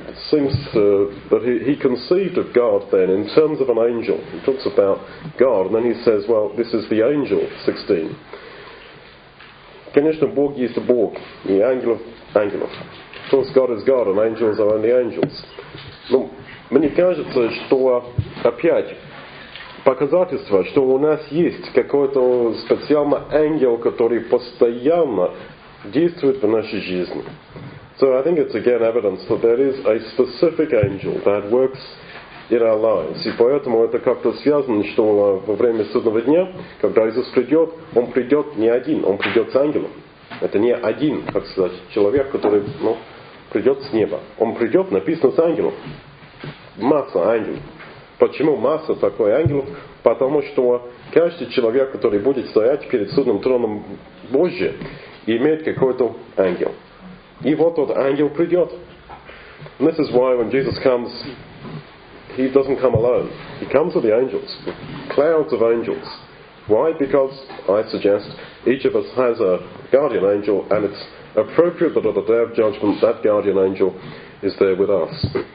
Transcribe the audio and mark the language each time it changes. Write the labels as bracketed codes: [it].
[en] Seems that he conceived of God then in terms of an angel. He talks about God and then he says, well, this is the angel, 16. [ru] Конечно, Бог есть Бог, и ангелов, ангелов. [en] Of course, God is God and angels are only angels. [ru] Но мне кажется, что опять показательство, что у нас есть какой-то специальный ангел, который постоянно действует в нашей жизни. [en] So I think it's again evidence that there is a specific angel that works in our lives. [ru] И поэтому это как-то связано, что во время судного дня, когда Иисус придет, Он придет не один, Он придет с ангелом. Это не один, как сказать, человек, который, ну, придет с неба. Он придет, написано, с ангелом. Масса ангелов. Почему масса такой ангелов? Потому что каждый человек, который будет стоять перед судным троном Божьим, имеет какой-то ангел. И вот тот ангел придет. [en] And this is why when Jesus comes, he doesn't come alone. He comes with the angels, with clouds of angels. Why? Because, I suggest, each of us has a guardian angel, and it's appropriate that on the day of judgment, that guardian angel is there with us.